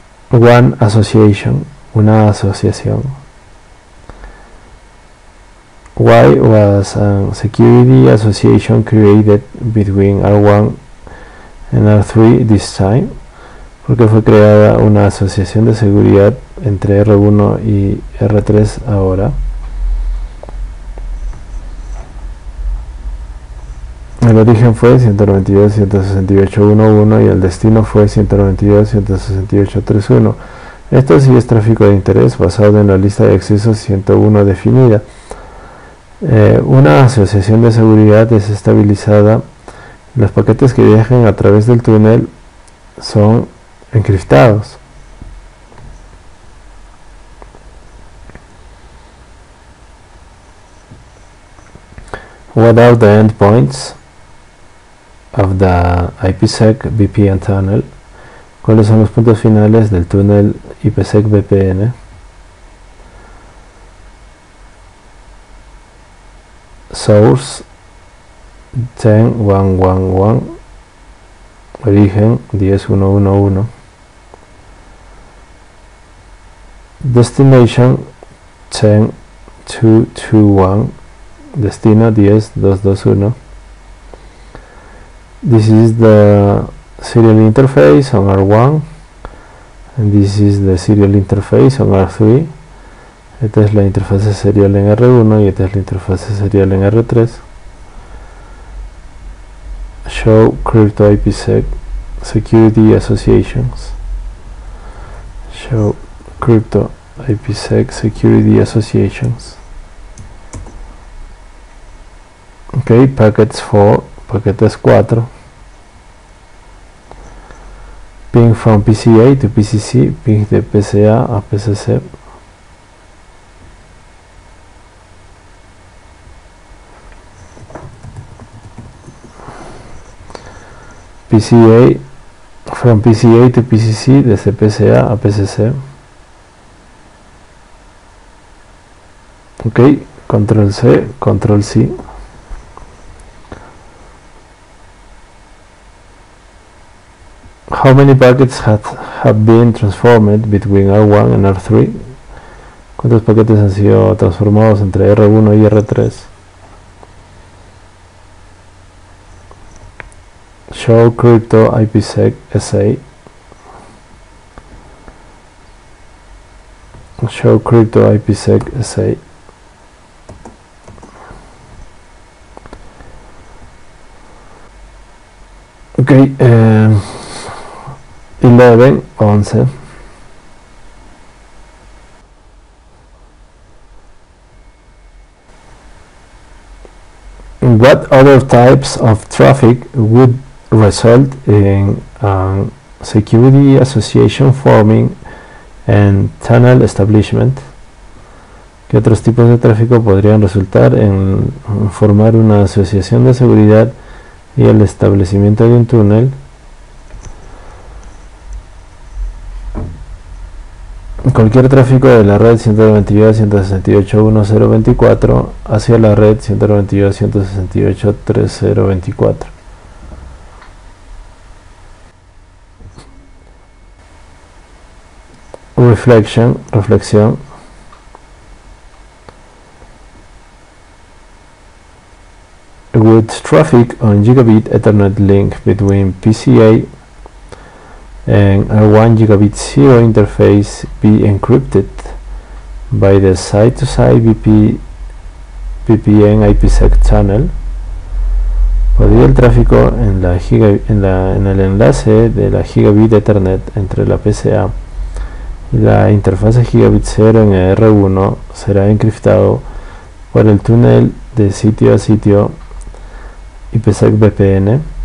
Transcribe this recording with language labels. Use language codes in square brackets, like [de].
[en] One Association. [es] Una asociación. [en] Why was a security association created between R1 and R3 this time? [es] Porque fue creada una asociación de seguridad entre R1 y R3 ahora. El origen fue 192.168.1.1 y el destino fue 192.168.3.1. Esto sí es tráfico de interés basado en la lista de accesos 101 definida. Una asociación de seguridad es estabilizada. Los paquetes que viajen a través del túnel son encriptados. [en] What are the endpoints of the IPsec VPN tunnel? [es] ¿Cuáles son los puntos finales del túnel IPsec VPN? [en] Source 10.1.1.1. [es] Origen 10.1.1.1. [en] Destination 10.2.2.1. [es] Destino 10.2.2.1. [en] This is the serial interface on R1. And this is the serial interface on R3. [es] Esta es la interfaz serial en R1 y esta es la interfaz serial en R3. [en] Show Crypto IPsec Security Associations. Show Crypto IPsec Security Associations. Ok, packets 4, [es] paquetes 4. [en] Ping from PCA to PCC, [es] ping de PCA a PCC. [en] PCA, from PCA to PCC, [es] desde PCA a PCC. [en] Ok, control C, control C. How many packets have been transformed between R1 and R3? [es] ¿Cuántos paquetes han sido transformados entre R1 y R3? [en] Show Crypto IPsec SA. Show Crypto IPsec SA. Ok, 11. What other types of traffic would result in a security association forming and tunnel establishment? [es] ¿Qué otros tipos de tráfico podrían resultar en formar una asociación de seguridad y el establecimiento de un túnel? Cualquier tráfico de la red 192.168.1.0.24 hacia la red 192.168.3.0.24. [en] Reflection, [es] reflexión. [en] Would traffic on gigabit Ethernet link between PCA and R1 gigabit zero interface be encrypted by the side-to-side VPN IPsec tunnel? [es] ¿Podría el tráfico en el enlace de la gigabit Ethernet entre la PCA la interfaz gigabit 0 en R1 será encriptado por el túnel de sitio a sitio IPsec VPN?